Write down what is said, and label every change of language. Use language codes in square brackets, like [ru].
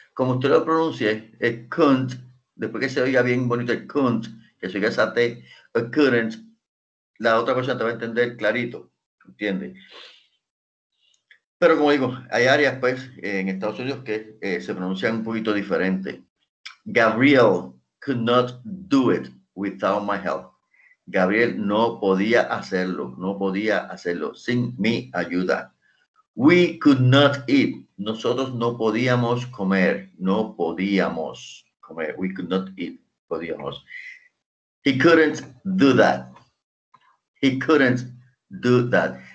[es] Como usted lo pronuncie, el couldn't, después que se oiga bien bonito el couldn't, que se oiga esa T, el couldn't, la otra persona te va a entender clarito. ¿Entiende? Pero como digo, hay áreas pues en Estados Unidos que se pronuncian un poquito diferente. [en] Gabriel could not do it without my help. [es] Gabriel no podía hacerlo, no podía hacerlo sin mi ayuda. [en] We could not eat. [es] Nosotros no podíamos comer, no podíamos comer. [en] We could not eat. [es] Podíamos. [en] He couldn't do that. He couldn't do that.